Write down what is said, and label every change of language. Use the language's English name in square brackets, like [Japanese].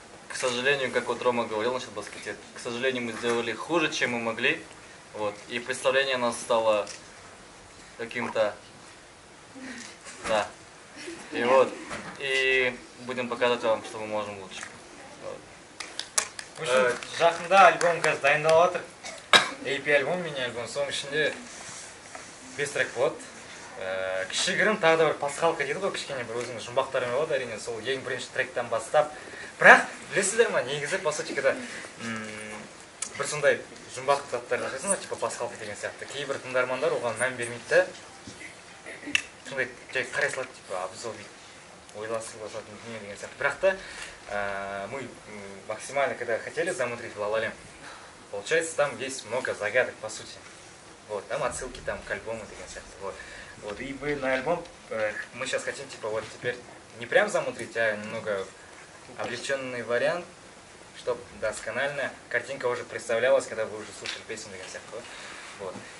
[Russian] К сожалению, как вот Рома говорил насчет баскета, к сожалению, мы сделали хуже, чем мы могли. Вот. И представление у нас стало каким-то... Да. И вот. И будем показывать вам, что мы можем лучше. Вот. В общем, [Kazakh] жақында альбом қазір дайындалып отыр. EP альбом, мини-альбом. Соның ішінде 5 трек болады. Кішігірім тағы да бір пасхалка дейді ғой, кішкене бір өзіңіз жұмбақтарым болады әрине, сол ең бірінші тректен бастап. Бірақ білесіздер ма, негізі по сутикада бір сондай жұмбақ заттар жасайсың ғой, типа пасхалка деген сияқты. Кейбір тыңдармандар оған мән бермейді да, сондай жай қарай салады, типа абзал дейді, ойласып басатын дүние деген сияқты. Бірақ та [Russian] мы максимально когда хотели замутрить La La Land, получается там есть много загадок по сути. Вот, там отсылки там к альбому [Kazakh] деген сияқты. [Russian] Вот. Вот, и мы на альбом, мы сейчас хотим, типа, вот теперь не прям замутрить, а немного облегченный вариант, чтобы досконально картинка уже представлялась, когда вы уже слушали песню для всех, вот.